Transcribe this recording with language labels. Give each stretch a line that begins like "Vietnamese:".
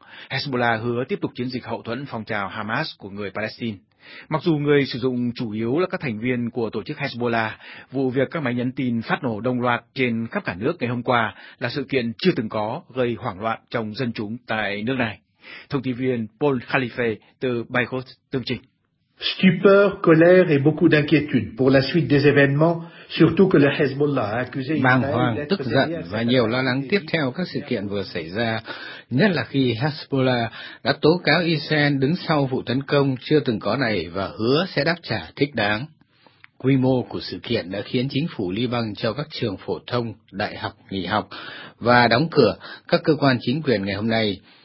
Vietnamese: Hezbollah hứa tiếp tục chiến dịch hậu thuẫn phong trào Hamas của người Palestine. Mặc dù người sử dụng chủ yếu là các thành viên của tổ chức Hezbollah, vụ việc các máy nhắn tin phát nổ đồng loạt trên khắp cả nước ngày hôm qua là sự kiện chưa từng có gây hoảng loạn trong dân chúng tại nước này. Thông tin viên Paul Khalife từ Beirut tường trình.
French: Stupeur, colère et beaucoup d'inquiétude pour la suite des événements, surtout que le Hezbollah a accusé Israël.
Vietnamese: Bàng hoàng, tức giận và nhiều lo lắng tiếp theo các sự kiện vừa xảy ra, nhất là khi Hezbollah đã tố cáo Israel đứng sau vụ tấn công chưa từng có này và hứa sẽ đáp trả thích đáng. Quy mô của sự kiện đã khiến chính phủ Liban cho các trường phổ thông, đại học nghỉ học và đóng cửa các cơ quan chính quyền ngày hôm nay.